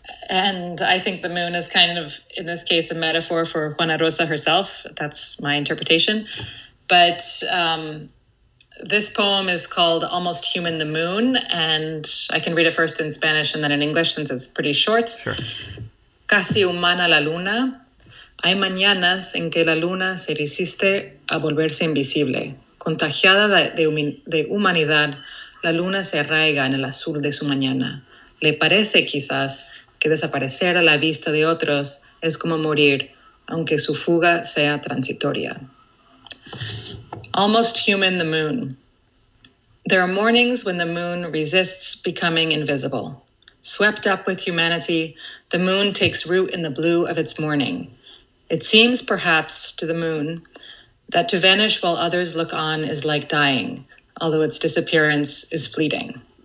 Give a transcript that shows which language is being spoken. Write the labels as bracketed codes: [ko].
[en] And I think the moon is kind of, in this case, a metaphor for Juana Rosa herself. That's my interpretation. But this poem is called Almost Human, the Moon, and I can read it first in Spanish and then in English since it's pretty short. Sure. [es] Casi humana la luna. Hay mañanas en que la luna se resiste a volverse invisible. Contagiada de humanidad, la luna se arraiga en el azul de su mañana. Le parece, quizás, que desaparecer a la vista de otros es como morir, aunque su fuga sea transitoria. [en] Almost human, the moon. There are mornings when the moon resists becoming invisible. Swept up with humanity, the moon takes root in the blue of its morning. It seems, perhaps, to the moon that to vanish while others look on is like dying, although its disappearance is fleeting.